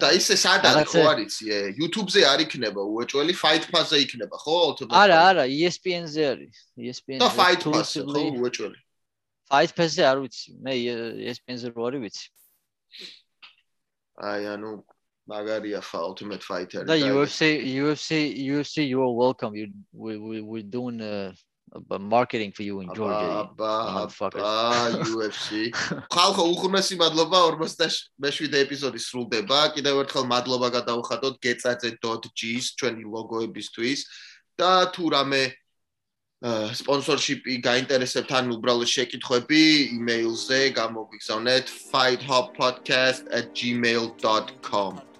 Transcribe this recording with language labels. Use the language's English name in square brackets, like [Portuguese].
[Georgian] და ისე სადაც ხო არის YouTube-ზე არ იქნება უეჭველი fight pass-ზე იქნება ხო არა არა ESPN-ზე არის ESPN-ზე და fight pass-ზე ხო უეჭველი fight pass-ზე არ ვიცი მე ESPN-ზე რო არის ვიცი აი ანუ მაგარია ხა ultimate fighter [English] და UFC you are welcome we're doing a marketing for you in Georgia [Georgian] UFC ხალხო უხმესი მადლობა 57 ეპიზოდი სრულდება კიდევ ერთხელ მადლობა გადავხატოთ getzatze.gs ჩვენი ლოგოებისთვის და თუ რამე sponsorship-ი გაინტერესებთ ან უბრალოდ შეკითხები email-ზე გამოგიგზავნეთ fighthubpodcast@gmail.com